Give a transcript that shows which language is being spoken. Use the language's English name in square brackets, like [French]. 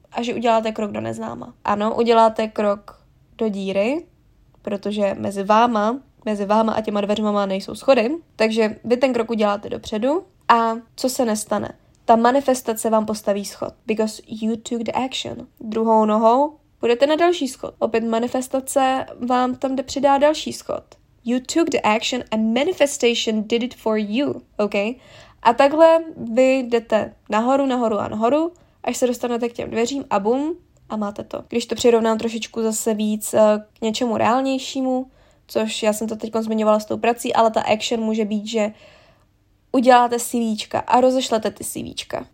[Czech] A že uděláte krok do neznáma. Ano, uděláte krok do díry, protože mezi váma a těma dveřmama nejsou schody. Takže vy ten krok uděláte dopředu. A co se nestane? Ta manifestace vám postaví schod. [English] Because you took the action. [Czech] Druhou nohou půjdete na další schod. Opět manifestace vám tam přidá další schod. [English] You took the action and manifestation did it for you. OK? [Czech] A takhle vy jdete nahoru, nahoru a nahoru, až se dostanete k těm dveřím a bum, a máte to. Když to přirovnám trošičku zase víc k něčemu reálnějšímu, což já jsem to teď zmiňovala s tou prací, ale ta action může být, že uděláte CVčka a rozešlete ty CVčka.